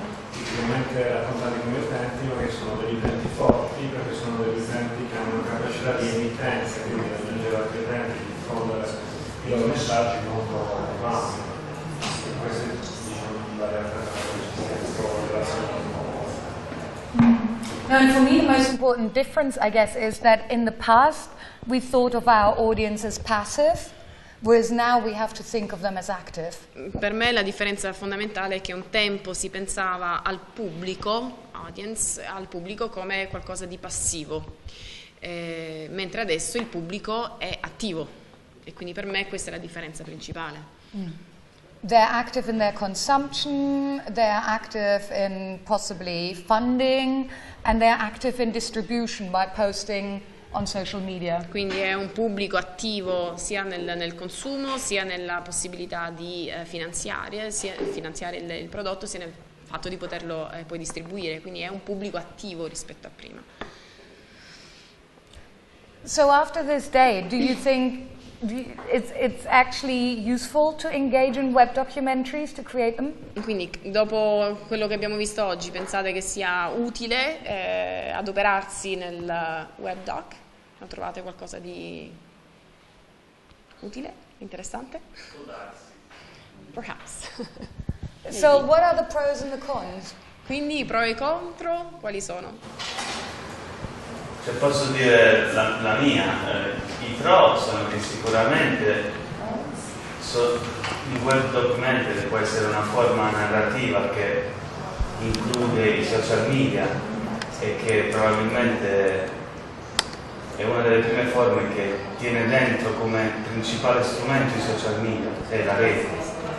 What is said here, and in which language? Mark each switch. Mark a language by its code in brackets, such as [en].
[it] Sicuramente raccontati come utenti, ma che sono degli utenti forti, perché sono degli utenti che hanno una capacità di emittenza, quindi di raggiungere altri utenti, di diffondere i loro messaggi molto avanti. E questo è, diciamo, la realtà della seconda. [en] Now, for me, the most important difference, I guess, is that in the past we thought of our audience as passive, whereas now we have to think of them as active. [it] Per me la differenza fondamentale è che un tempo si pensava al pubblico, audience, al pubblico come qualcosa di passivo, mentre adesso il pubblico è attivo, e quindi per me questa è la differenza principale. [en] They're active in their consumption, they're active in possibly funding, and they're active in distribution by posting on social media. [it] Quindi è un pubblico attivo sia nel consumo, sia nella possibilità di finanziare il prodotto, sia nel fatto di poterlo poi distribuire. Quindi è un pubblico attivo rispetto a prima. [en] So after this day, do you think it's actually useful to engage in web documentaries to create them? [it] Quindi dopo quello che abbiamo visto oggi, pensate che sia utile adoperarsi nel web doc? Lo trovate qualcosa di utile, interessante? [en] Perhaps. So what are the pros and the cons? [it] Quindi i pro e i contro quali sono? Se posso dire la mia, i pro sono che sicuramente il web documentary può essere una forma narrativa che include i social media e che probabilmente è una delle prime forme che tiene dentro come principale strumento i social media e la rete.